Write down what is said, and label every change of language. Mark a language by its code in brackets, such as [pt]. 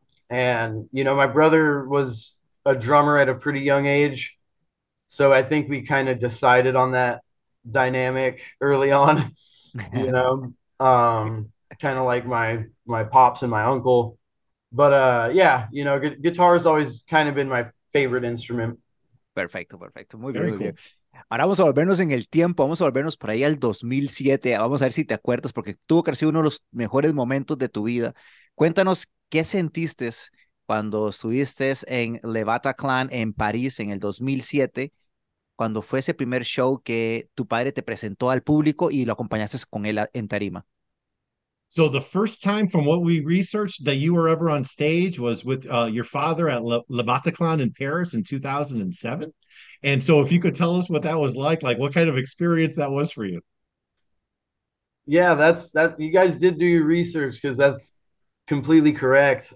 [en] And you know, my brother was a drummer at a pretty young age, so I think we kind of decided on that dynamic early on, you know, kind of like my pops and my uncle. But yeah, you know, guitar has always kind of been my favorite instrument. [es] Perfecto, perfecto. Muy bien, [en] Very [es] muy bien. [en] cool. [es] Ahora vamos a volvernos en el tiempo, vamos a volvernos por ahí al 2007. Vamos a ver si te acuerdas, porque tuvo que haber sido uno de los mejores momentos de tu vida. Cuéntanos qué sentiste cuando estuviste en Le Bataclan en París en el 2007. Cuando fue ese primer show que tu padre te presentó al público y lo acompañaste con él en tarima. [en] So the first time, from what we researched, that you were ever on stage was with your father at Le Bataclan in Paris in 2007. And so, if you could tell us what that was like what kind of experience that was for you. Yeah, that's that. You guys did do your research because that's completely correct.